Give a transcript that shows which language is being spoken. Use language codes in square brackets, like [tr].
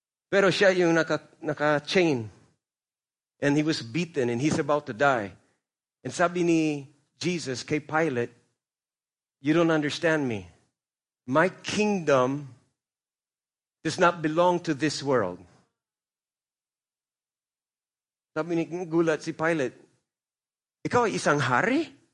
[tl] Pero siya yung naka-chain. [en] And he was beaten and he's about to die. And [tl] sabi ni [en] Jesus [tl] kay [en] Pilate, you don't understand me. My kingdom does not belong to this world. [tl] Sabi ni gulat si Pilate, ikaw isang hari?